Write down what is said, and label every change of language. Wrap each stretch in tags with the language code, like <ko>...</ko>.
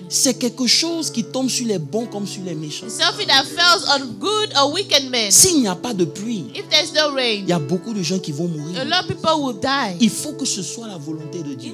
<fr>c'est quelque chose qui tombe sur les bons comme sur les méchants.</fr> <en>Something that falls on good or wicked men.</en> <fr>S'il n'y a pas de pluie,</fr> <en>if there's no rain,</en> <fr>il y a beaucoup de gens qui vont mourir.</fr> <en>A lot of people will die.</en> <fr>Il faut que ce soit la volonté de Dieu.</fr>